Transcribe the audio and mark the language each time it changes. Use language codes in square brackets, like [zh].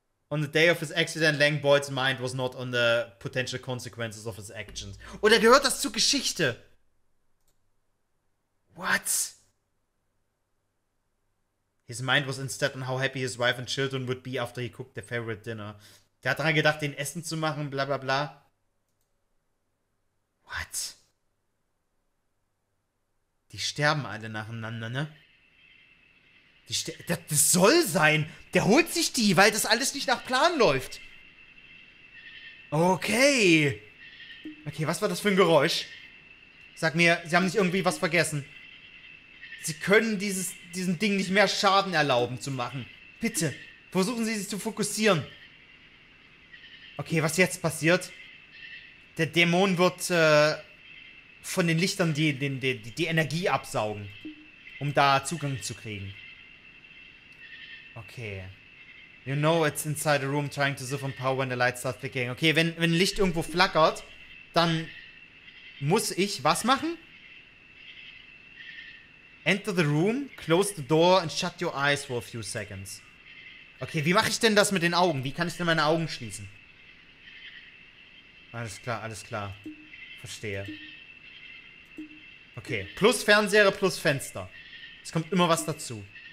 [en] On the day of his accident, Langboyd's mind was not on the potential consequences of his actions. [de] Oder gehört das zur Geschichte? [en] What? His mind was instead on how happy his wife and children would be after he cooked their favorite dinner. [de] Der hat daran gedacht, den Essen zu machen, bla bla bla. What? Die sterben alle nacheinander, ne? Das soll sein. Der holt sich die, weil das alles nicht nach Plan läuft. Okay. Okay, was war das für ein Geräusch? Sag mir, sie haben nicht irgendwie was vergessen. Sie können diesem Ding nicht mehr Schaden erlauben zu machen. Bitte, versuchen Sie sich zu fokussieren. Okay, was jetzt passiert? Der Dämon wird von den Lichtern die Energie absaugen, um da Zugang zu kriegen. Okay. [en] You know it's inside a room trying to siphon power when the lights start flickering. [de] Okay, wenn Licht irgendwo flackert, dann muss ich was machen? [en] Enter the room, close the door and shut your eyes for a few seconds. [de] Okay, wie mache ich denn das mit den Augen? Wie kann ich denn meine Augen schließen? Alles klar. Verstehe. Okay, plus Fernseher plus Fenster. Es kommt immer was dazu.